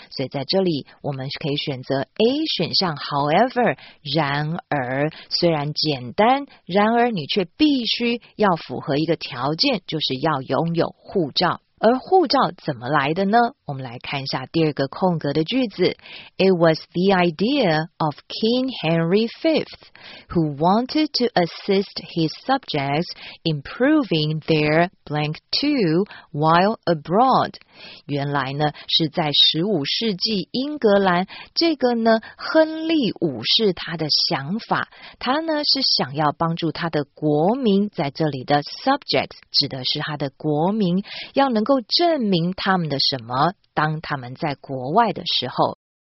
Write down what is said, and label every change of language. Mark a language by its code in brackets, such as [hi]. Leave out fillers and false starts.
[zh] 所以在这里我们可以选择 A 选项 however 然而，虽然简单，然而你却必须要符合一个条件，就是要拥有护照。而护照怎么来的呢？我们来看一下第二个空格的句子。 [en] It was the idea of King Henry V who wanted to assist his subjects improving their blank to while abroad. [zh] 原来呢是在15世纪英格兰，这个呢亨利五世他的想法，他呢是想要帮助他的国民，在这里的 subjects 指的是他的国民，要能够证明他们的什么，当他们在国外的时候。